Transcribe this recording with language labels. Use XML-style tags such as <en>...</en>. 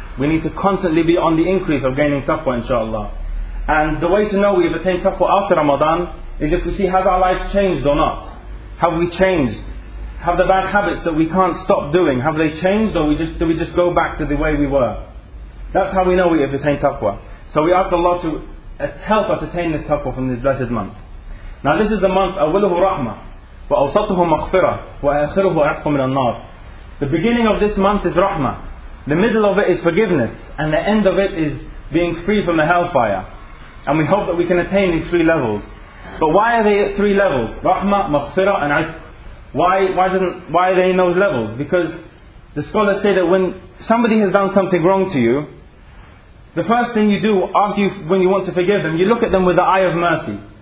<en>We need to constantly be on the increase of gaining taqwa, inshallah. And the way to know we've attained taqwa after Ramadan is if we see, have our lives changed or not? Have we changed? Have the bad habits that we can't stop doing, have they changed, or do we just go back to the way we were? That's how we know we have attained taqwa. So we ask Allah to help us attain this taqwa from this blessed month. Now this is the month,</en> <ar>أَوَلُهُ رَحْمَةً وَأَوْسَطُهُ مَغْفِرَةً وَأَخِرُهُ أَعْقُ مِنَ النَّارِ.</ar> <en>The beginning of this month is rahmah. The middle of it is forgiveness. And the end of it is being free from the hellfire. And we hope that we can attain these three levels. But why are they at three levels? Rahmah, maghfirah, and ifq. Why are they in those levels? Because the scholars say that when somebody has done something wrong to you, the first thing you do after you, when you want to forgive them, you look at them with the eye of mercy.</en>